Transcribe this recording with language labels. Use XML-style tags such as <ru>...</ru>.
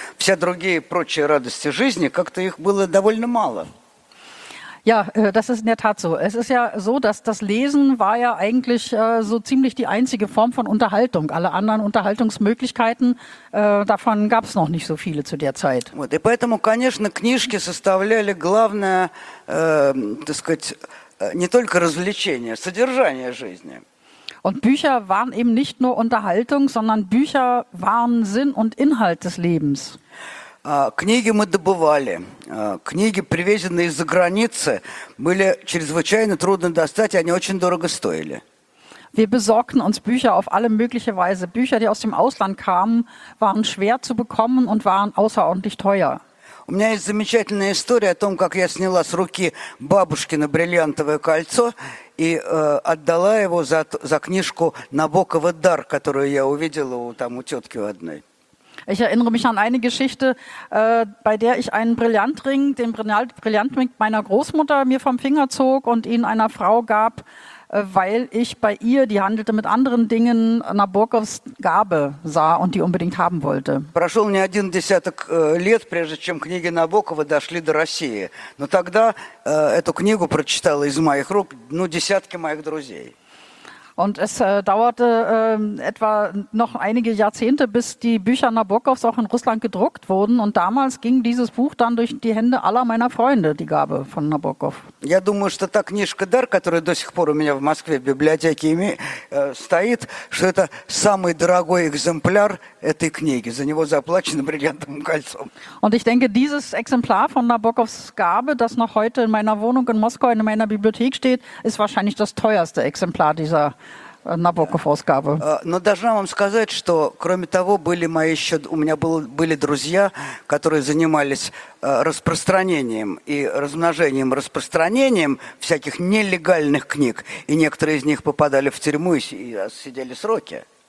<ru>Все другие прочие радости жизни, как-то их было довольно мало.</ru> <de>Ja, das ist in der Tat so. Es ist ja so, dass das Lesen war ja eigentlich so ziemlich die einzige Form von Unterhaltung. Alle anderen Unterhaltungsmöglichkeiten, davon gab es noch nicht so viele zu der Zeit.</de> <ru>Вот, и поэтому, конечно, книжки составляли главное, так сказать, не только развлечение, содержание жизни.</ru> <de>Und Bücher waren eben nicht nur Unterhaltung, sondern Bücher waren Sinn und Inhalt des Lebens.</de> <ru>Книги мы добывали. Книги, привезенные из-за границы, были чрезвычайно трудно достать, и они очень дорого стоили.</ru> <de>Wir besorgten uns Bücher auf alle mögliche Weise. Bücher, die aus dem Ausland kamen, waren schwer zu bekommen und waren außerordentlich teuer.</de> <ru>У меня есть замечательная история о том, как я сняла с руки бабушкино бриллиантовое кольцо и отдала его за книжку Набокова «Дар», которую я увидела там у тетки одной.</ru> <de>Ich erinnere mich an eine Geschichte, bei der ich einen Brillantring, den Brillantring meiner Großmutter mir vom Finger zog und ihn einer Frau gab, weil ich bei ihr, die handelte mit anderen Dingen, Nabokovs Gabe sah und die unbedingt haben wollte.</de> <ru>Прошел не один десяток лет, прежде чем книги Набокова дошли до России. Но тогда эту книгу прочитала из моих рук десятки моих друзей.</ru> <de>Und es dauerte etwa noch einige Jahrzehnte, bis die Bücher Nabokovs auch in Russland gedruckt wurden. Und damals ging dieses Buch dann durch die Hände aller meiner Freunde, die Gabe von Nabokov.</de> <ru>Я думаю, что та книжка «Дар», которая до сих пор у меня в Москве в библиотеке стоит, что это самый дорогой экземпляр этой книги. За него заплачено бриллиантовым кольцом.</ru> <de>Und ich denke, dieses Exemplar von Nabokovs Gabe, das noch heute in meiner Wohnung in Moskau in meiner Bibliothek steht, ist wahrscheinlich das teuerste Exemplar dieser Nabokov-Ausgabe.</de> <ru>Но должна вам сказать, что кроме того, были мои еще, у меня были друзья, которые занимались распространением и размножением, распространением всяких нелегальных книг, и некоторые из них попадали в тюрьму и сидели сроки.</ru>